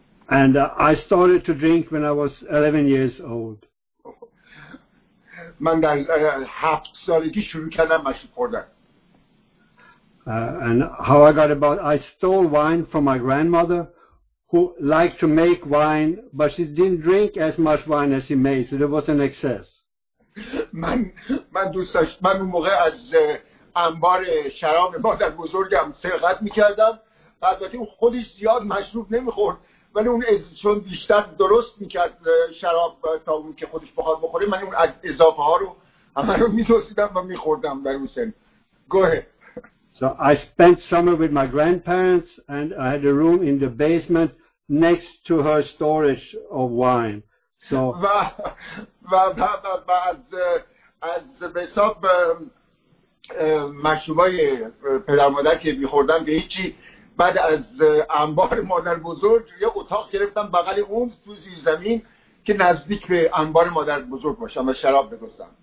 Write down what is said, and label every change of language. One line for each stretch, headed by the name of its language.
English: And I started to drink when I was 11 years old.
Persian: من در 7 سالگی شروع کردم مشروب خوردن.
English: And how I got about, I stole wine from my grandmother, who liked to make wine, but she didn't drink as much wine as she made, so there was an excess.
Persian: من دوست داشتم. من اون موقع از انبار شراب مادر بزرگم سرقت میکردم. البته اون خودش زیاد مشروب نمیخورد. ولی اون چون بیشتر درست میکرد شراب تا اون که خودش بخواد بخوره. من اون اضافه ها رو همه رو میدوستیدم و میخوردم در اون سن. گوه.
English: So I spent summer with my grandparents and I had a room in the basement next to her storage of wine. So
Persian: از به حساب مشروبای پدر مادر که می‌خوردم به هیچی بعد از انبار مادر بزرگ یه اتاق گرفتم بغل اون تو زیر زمین که نزدیک به انبار مادر بزرگ باشم و شراب بگذارم.